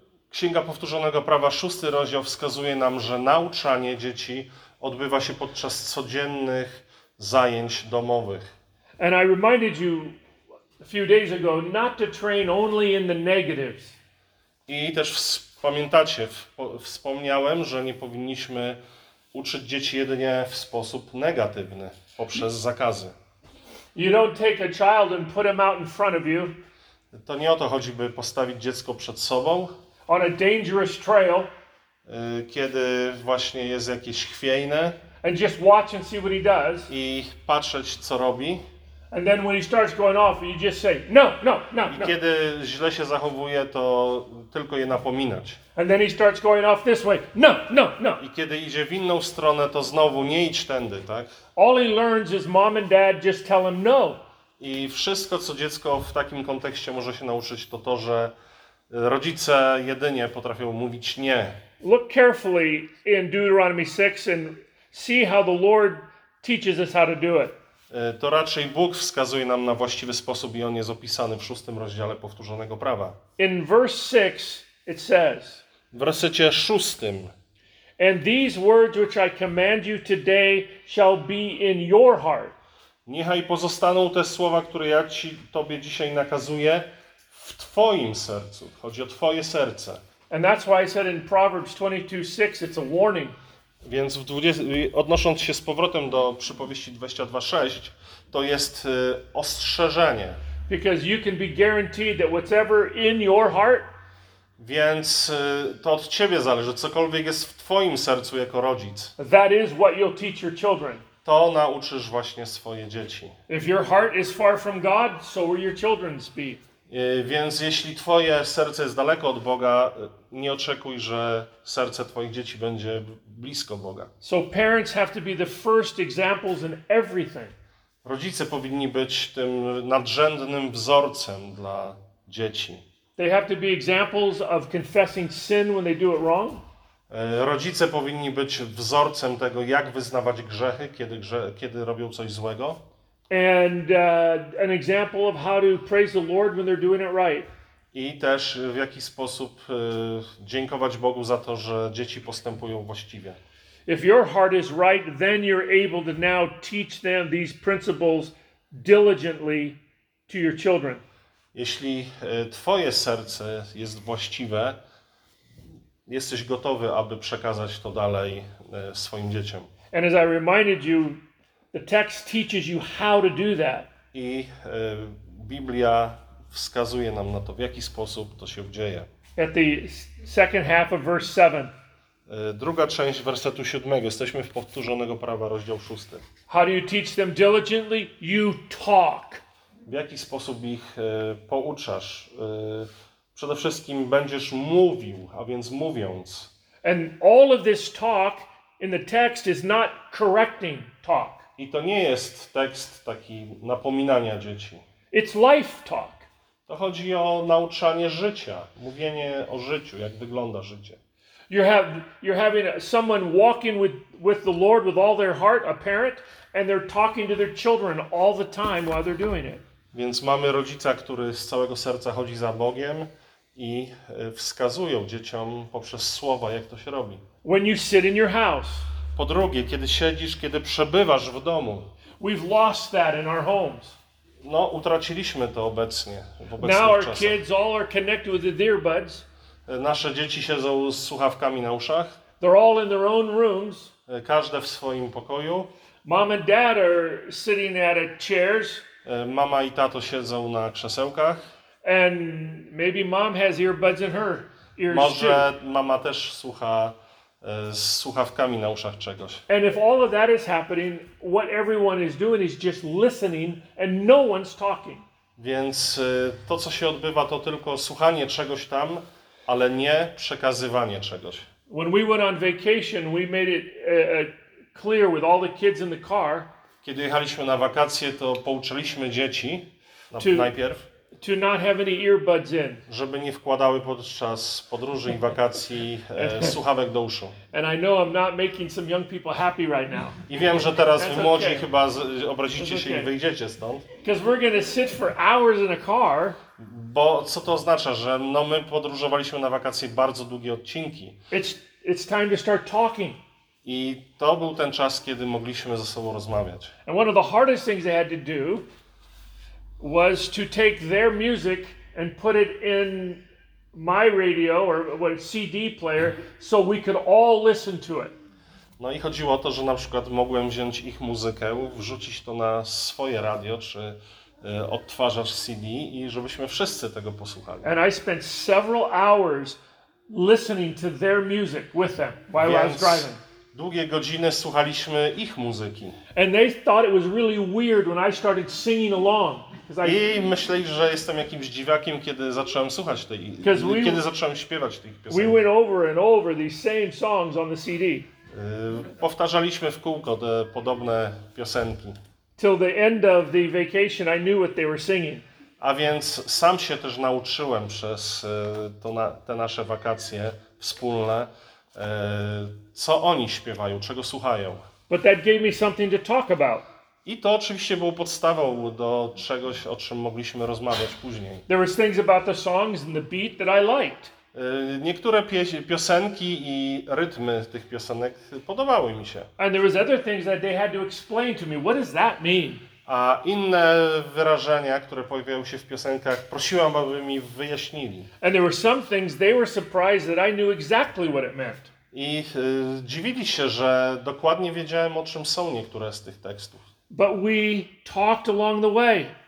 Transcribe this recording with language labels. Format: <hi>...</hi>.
<pl>Księga Powtórzonego Prawa, 6 rozdział, wskazuje nam, że nauczanie dzieci odbywa się podczas codziennych zajęć domowych.</pl> <en>And I reminded you a few days ago not to train only in the negatives.</en> <pl>I też pamiętacie, wspomniałem, że nie powinniśmy uczyć dzieci jedynie w sposób negatywny, poprzez zakazy.</pl> <en>You don't take a child and put him out in front of you.</en> <pl>To nie o to chodzi, by postawić dziecko przed sobą.</pl> <en>On a dangerous trail.</en> <pl>Kiedy właśnie jest jakieś chwiejne.</pl> <en>And just watch and see what he does.</en> <pl>I patrzeć, co robi.</pl> <en>And then when he starts going off, you just say, no, no, no,</en> <pl>i kiedy źle się zachowuje, to tylko je napominać.</pl> <en>And then he starts going off this way, no, no, no.</en> <pl>I kiedy idzie w inną stronę, to znowu nie idź tędy, tak?</pl> <en>All he learns is mom and dad just tell him no.</en> <pl>I wszystko, co dziecko w takim kontekście może się nauczyć, to to, że rodzice jedynie potrafią mówić nie.</pl> <en>Look carefully in Deuteronomy 6 and see how the Lord teaches us how to do it.</en> <pl>To raczej Bóg wskazuje nam na właściwy sposób i on jest opisany w 6 rozdziale Powtórzonego Prawa.</pl> <en>In verse 6 it says.</en> <pl>W wersecie 6.</pl> <en>And these words which I command you today shall be in your heart.</en> <pl>Niechaj pozostaną te słowa, które ja ci tobie dzisiaj nakazuję, w twoim sercu. Chodzi o twoje serce.</pl> <en>And that's why I said in Proverbs 22:6 it's a warning.</en> <pl>Więc odnosząc się z powrotem do przypowieści 22:6, to jest ostrzeżenie.</pl> <en>Because you can be guaranteed that whatever in your heart.</en> <pl>Więc to od ciebie zależy, cokolwiek jest w twoim sercu jako rodzic.</pl> <en>That is what you'll teach your children.</en> <pl>To nauczysz właśnie swoje dzieci.</pl> <en>If your heart is far from God, so will your children's be.</en> <pl>Więc jeśli twoje serce jest daleko od Boga, nie oczekuj, że serce twoich dzieci będzie blisko Boga.</pl> <en>So parents have to be the first examples in everything.</en> <pl>Rodzice powinni być tym nadrzędnym wzorcem dla dzieci.</pl> <en>They have to be examples of confessing sin when they do it wrong.</en> <pl>Rodzice powinni być wzorcem tego, jak wyznawać grzechy, kiedy robią coś złego.</pl> <en>And an example of how to praise the Lord when they're doing it right.</en> <pl>I też w jaki sposób dziękować Bogu za to, że dzieci postępują właściwie.</pl> <en>If your heart is right, then you're able to now teach them these principles diligently to your children.</en> <pl>Jeśli twoje serce jest właściwe, jesteś gotowy, aby przekazać to dalej swoim dzieciom.</pl> <en>And as I reminded you, the text teaches you how to do that.</en> <pl>I Biblia wskazuje nam na to, w jaki sposób to się dzieje.</pl> <en>At the second half of verse 7.</en> <pl>Druga część wersetu 7. Jesteśmy w Powtórzonego Prawa, rozdział 6.</pl> <en>How do you teach them diligently? You talk.</en> <pl>W jaki sposób ich pouczasz? Przede wszystkim będziesz mówił, a więc mówiąc.</pl> <en>And all of this talk in the text is not correcting talk.</en> <pl>I to nie jest tekst taki napominania dzieci.</pl> <en>It's life talk.</en> <pl>To chodzi o nauczanie życia, mówienie o życiu, jak wygląda życie.</pl> <en>You're having someone walking with the Lord with all their heart, a parent, and they're talking to their children all the time while they're doing it.</en> <pl>Więc mamy rodzica, który z całego serca chodzi za Bogiem i wskazują dzieciom poprzez słowa, jak to się robi.</pl> <en>When you sit in your house.</en> <pl>Po drugie, kiedy siedzisz, kiedy przebywasz w domu.</pl> <en>We've lost that in our homes.</en> <pl>No, utraciliśmy to obecnie, w obecnych czasach.</pl> <en>Now our kids all are connected with their earbuds.</en> <pl>Nasze dzieci siedzą z słuchawkami na uszach.</pl> <en>They're all in their own rooms.</en> <pl>Każde w swoim pokoju.</pl> <en>Mom and dad are sitting at chairs.</en> <pl>Mama i tato siedzą na krzesełkach.</pl> <en>And maybe mom has earbuds in her ears.</en> <pl>Może mama też słucha z słuchawkami na uszach czegoś.</pl> <en>And if all of that is happening, what everyone is doing is just listening and no one's talking.</en> <pl>Więc to, co się odbywa, to tylko słuchanie czegoś tam, ale nie przekazywanie czegoś.</pl> <en>When we went on vacation, we made it clear with all the kids in the car.</en> <pl>Kiedy jechaliśmy na wakacje, to pouczyliśmy dzieci najpierw,</pl> <en>to not have any earbuds in.</en> <pl>Żeby nie wkładały podczas podróży i wakacji słuchawek do uszu.</pl> <en>And I know I'm not making some young people happy right now.</en> <pl>I wiem, że teraz wy młodzi chyba obrazicie się i wyjdziecie stąd.</pl> <en>Because we're gonna sit for hours in a car.</en> <pl>Bo co to oznacza, że no my podróżowaliśmy na wakacje bardzo długie odcinki.</pl> <en>It's time to start talking.</en> <pl>I to był ten czas, kiedy mogliśmy ze sobą rozmawiać.</pl> <en>And one of the hardest things they had to do was to take their music and put it in my radio or what CD player so we could all listen to it.</en> <pl>No i chodziło o to, że na przykład mogłem wziąć ich muzykę, wrzucić to na swoje radio czy odtwarzacz CD i żebyśmy wszyscy tego posłuchali.</pl> <en>And I spent several hours listening to their music with them while</en> <pl>Więc</pl> <en>I was driving.</en> <pl>Długie godziny słuchaliśmy ich muzyki.</pl> <en>And they thought it was really weird when I started singing along.</en> <pl>I myśleli, że jestem jakimś dziwakiem, kiedy zacząłem słuchać tej, kiedy zacząłem śpiewać tych piosenek.</pl> <en>We went over and over these same songs on the CD.</en> <pl>Powtarzaliśmy w kółko te podobne piosenki.</pl> <en>Till the end of the vacation, I knew what they were singing.</en> <pl>A więc sam się też nauczyłem przez te nasze wakacje wspólne, co oni śpiewają, czego słuchają.</pl> <en>But that gave me something to talk about.</en> <pl>I to oczywiście było podstawą do czegoś, o czym mogliśmy rozmawiać później.</pl> <en>There was things about the songs and the beat that I liked.</en> <pl>Niektóre piosenki i rytmy tych piosenek podobały mi się.</pl> <en>And there was other things that they had to explain to me. What does that mean?</en> <pl>A inne wyrażenia, które pojawiały się w piosenkach, prosiłam, aby mi wyjaśnili.</pl> <en>And there were some things they were surprised that I knew exactly what it meant.</en> <pl>I dziwili się, że dokładnie wiedziałem, o czym są niektóre z tych tekstów.</pl> <en>But we talked along the way.</en>